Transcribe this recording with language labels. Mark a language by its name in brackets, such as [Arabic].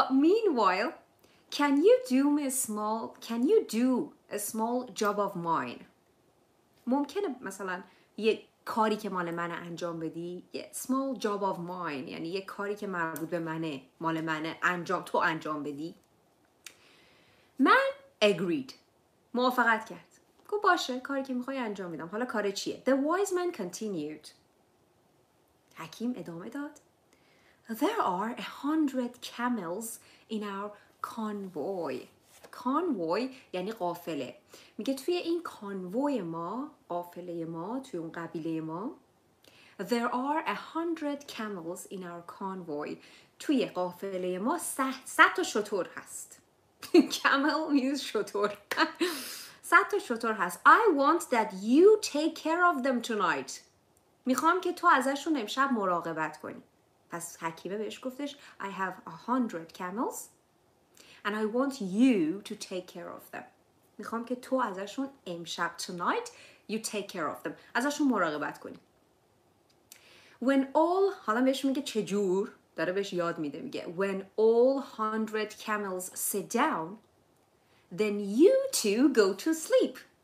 [English] But meanwhile, can you do a small job of mine? [Persian] ممکنه مثلا یه کاری که مال منه انجام بدی، یه [English] small job of mine، [Persian] یعنی یه کاری که مربوط به منه، مال منه، انجام تو انجام بدی. من agreed، موافقت کرد. گو باشه، کاری که میخوای انجام میدم. حالا کار چیه؟ [English] The wise man continued. [Persian] حکیم ادامه داد. [English] There are 100 camels in our convoy. [Persian] Convoy یعنی قافله. میگه توی این convoy ما، قافله ما، توی اون قبیله ما. [English] There are 100 camels in our convoy. [Persian] توی قافله ما 100 تا شتر هست. [English] Camel means [Persian] شتر. 100 تا شتر هست. [English] I want that you take care of them tonight. [Persian] میخوام که تو ازشون امشب مراقبت کنی. پس حکیمه بهش گفتش [English] I have 100 camels and I want you to take care of them. [Persian] میخوام که تو ازشون امشب [English] tonight you take care of them. [Persian] ازشون مراقبت کنی. [English] When all [Persian] حالا بهش میگه چجور داره بهش یاد میده میگه [English] When all 100 camels sit down then you two go to sleep.